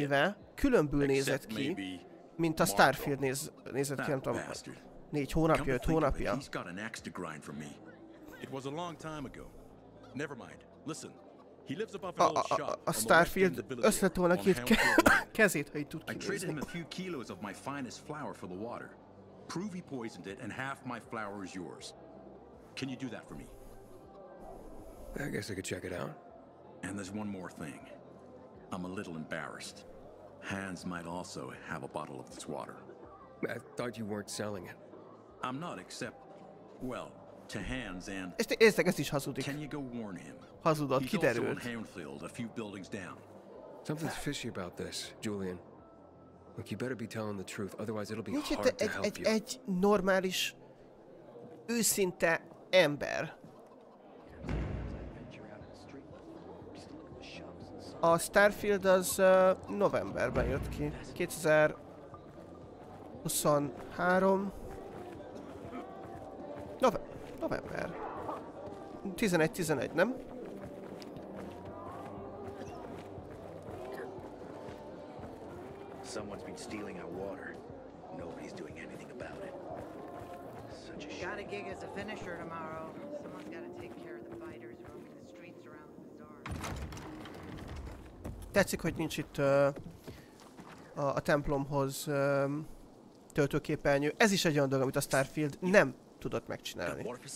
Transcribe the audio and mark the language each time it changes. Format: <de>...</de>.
<hu>Éve különbül nézett ki, mint a Starfield nézett ki, nem tudom. Négy hónapja, öt hónapja.</hu> <en>He's got an axe to grind for me. It was a long time ago. Never mind. Listen. He lives above an old shop.</en> <hu>A Starfield összet volna két kezét, ha így tud kinézni.</hu> <en>I traded him a few kilos of my finest flour for the water. Prove he poisoned it and half my flour is yours. Can you do that for me? I guess I could check it out. And there's one more thing. I'm a little embarrassed. Hans might also have a bottle of this water. I thought you weren't selling it. I'm not, except, well, to Hans and...</en> <hu>Érzek, ez is hazudik.</hu> <en>Can you go warn him?</en> <hu>Hazudott, kiderült.</hu> <en>He's also in Hanfield, a few buildings down. Something's fishy about this, Julian. Look, you better be telling the truth, otherwise it'll be hard to help you.</en> <hu>Nincs itt egy normális, őszinte ember. A Starfield az novemberben jött ki. 2023. November. 11-11, nem?</hu> <en>Someone's been stealing our water. Nobody's doing anything about it. Such a shame. Got a gig as a finisher tomorrow. Someone's got to take care of the fighters roaming the streets around the bazaar.</en> <hu>Tetszik, hogy nincs itt a templomhoz töltőképernyő. Ez is egy olyan dolog, amit a Starfield nem tudott megcsinálni.</hu>